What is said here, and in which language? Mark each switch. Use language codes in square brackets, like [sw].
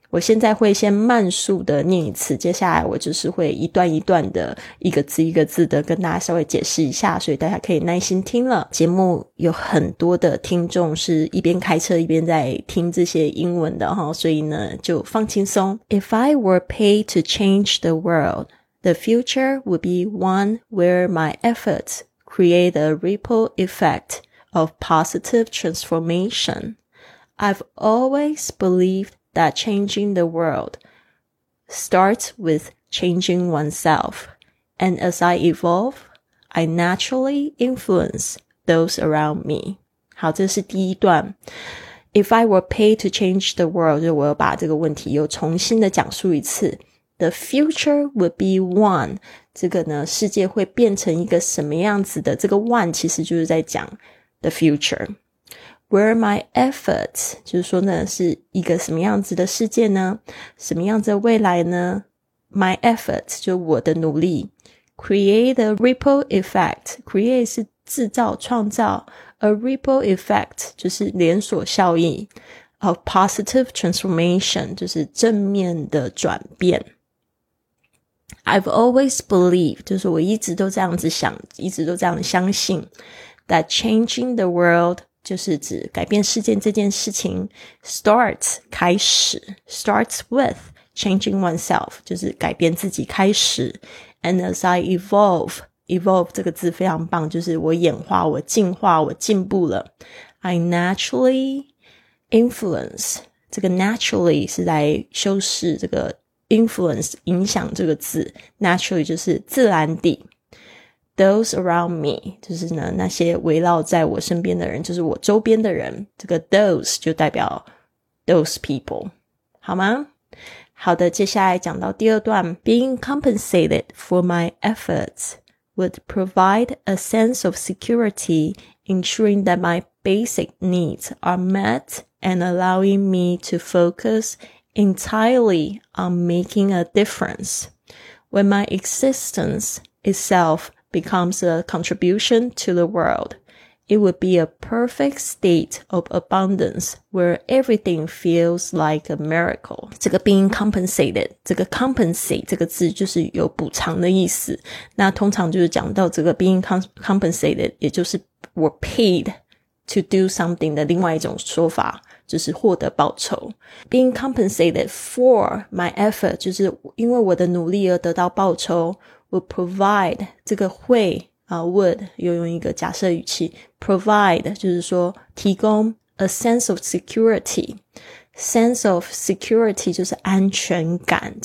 [zh] 我现在会先慢速的念一次，接下来我就是会一段一段的一个字一个字的跟大家稍微解释一下，所以大家可以耐心听了。节目有很多的听众是一边开车一边在听这些英文的，所以呢就放轻松。 [en] If I were paid to change the world, the future would be one where my efforts create a ripple effect of positive transformation. I've always believed that changing the worldstarts with changing oneself. And as I evolve, I naturally influence those around me. [zh] 好，这是第一段。 If I were paid to change the world, 就我要把这个问题又重新的讲述一次。 [en] The future would be one. [zh] 这个呢，世界会变成一个什么样子的？这个 one 其实就是在讲 the future. Where my efforts, 就是说呢是一个什么样子的世界呢，什么样子的未来呢。 My efforts, 就我的努力。 Create a ripple effect, create 是制造创造， A ripple effect, 就是连锁效应， Of positive transformation, 就是正面的转变。 I've always believed, 就是我一直都这样子想，一直都这样相信， That changing the world, 就是指改变世界这件事情 starts 开始， starts with changing oneself 就是改变自己开始。 And as I evolve, evolve 这个字非常棒，就是我演化我进化我进步了。 I naturally influence， 这个 naturally 是来修饰这个 influence 影响这个字， naturally 就是自然地。 Those around me 就是呢那些围绕在我身边的人，就是我周边的人，这个 those 就代表 those people，好吗？ [en] 好的，接下来讲到第二段， Being compensated for my efforts would provide a sense of security, ensuring that my basic needs are met and allowing me to focus entirely on making a difference. When my existence itself becomes a contribution to the world, it would be a perfect state of abundance where everything feels like a miracle. [zh] 这个 being compensated，这个 compensate 这个字就是有补偿的意思。那通常就是讲到这个 being compensated，也就是 were paid to do something 的另外一种说法，就是获得报酬。 Being compensated for my effort，就是因为我的努力而得到报酬， would provide 这个会would 又用一个假设语气， provide 就是说提供 a sense of security， sense of security 就是安全感。